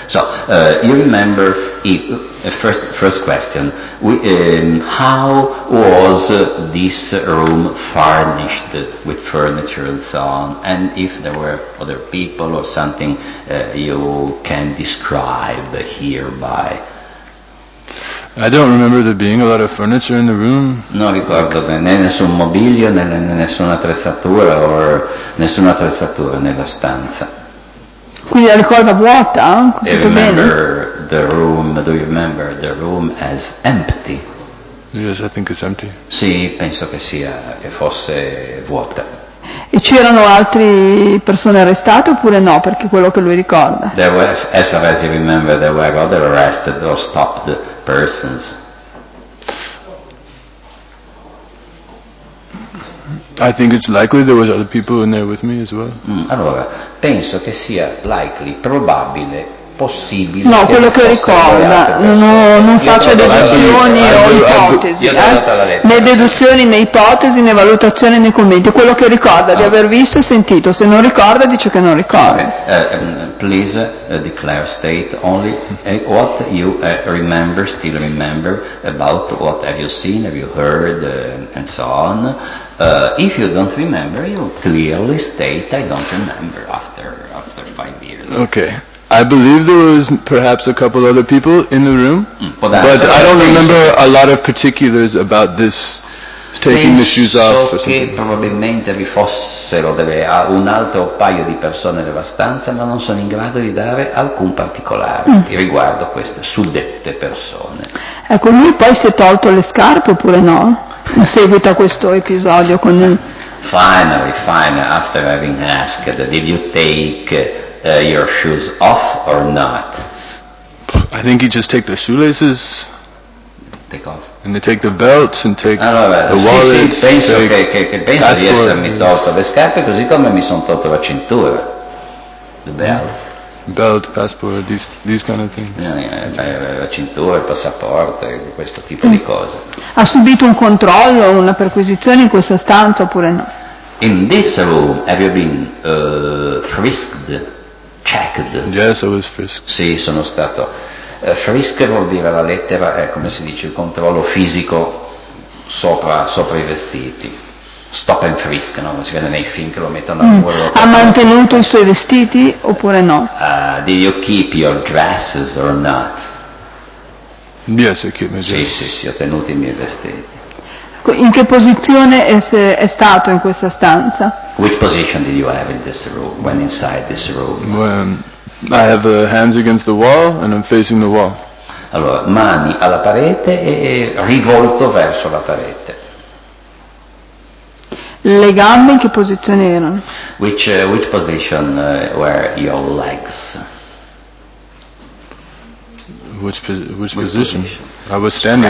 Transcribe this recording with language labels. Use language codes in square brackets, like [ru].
[en] So, you remember, first question, how was this room furnished with furniture and so on, and if there were other people or something you can describe hereby? I don't remember there being a lot of furniture in the room. [it] No, ricordo né nessun mobilio né nessuna attrezzatura or nessuna attrezzatura nella stanza. Quindi la ricorda vuota? [en] Do you remember the room as empty? Yes, I think it's empty. [it] Sì, penso che fosse vuota. E c'erano altre persone arrestate oppure no, perché quello che lui ricorda? [en] There were, as far as you remember, there were other arrested or stopped persons. I think it's likely there were other people in there with me as well. [it] Allora, penso che sia likely, probabile, possibile. No, quello che ricorda, non faccio deduzioni o ipotesi, né deduzioni né ipotesi né valutazioni né commenti, quello che ricorda di aver visto e sentito, se non ricorda dice che non ricorda. [en] Please declare state, only what you remember, still remember about what have you seen, have you heard, and so on. If you don't remember, you clearly state, I don't remember after 5 years. Okay. I believe there was perhaps a couple other people in the room, but I don't remember a lot of particulars about this taking the shoes off or something. [it] Penso che probabilmente vi fossero un altro paio di persone nella stanza, ma non sono in grado di dare alcun particolare riguardo queste suddette persone. Ecco, lui poi si è tolto le scarpe oppure no? In seguito a questo episodio con il... [en] Finally, after having asked, did you take your shoes off or not? I think you just take the shoelaces. Take off. And they take the belts and take the wallets. [it] Sì, penso che penso di essermi tolto le scarpe così come mi sono tolto la cintura. [en] The belt. Belt, passport, these kind of things. [it] La cintura, il passaporto, questo tipo di cose. Ha subito un controllo, una perquisizione in questa stanza oppure no? [en] In this room, have you been frisked, checked? Yes, I was frisked. [it] Sì, sono stato. Frisked vuol dire la lettera, è come si dice, il controllo fisico sopra i vestiti. [en] Stop and frisk, [it] no? Si vede nei film che lo mettono a quello. Ha mantenuto i suoi vestiti oppure no? [en] Did you keep your dresses or not? Yes, I keep my dresses. [it] Sì, ho tenuto i miei vestiti. In che posizione è stato in questa stanza? [en] Which position did you have in this room, when inside this room? When I have the hands against the wall and I'm facing the wall. [it] Allora, mani alla parete e rivolto verso la parete. Le gambe in che posizione erano? [en] Which position were your legs? Which position? I was standing.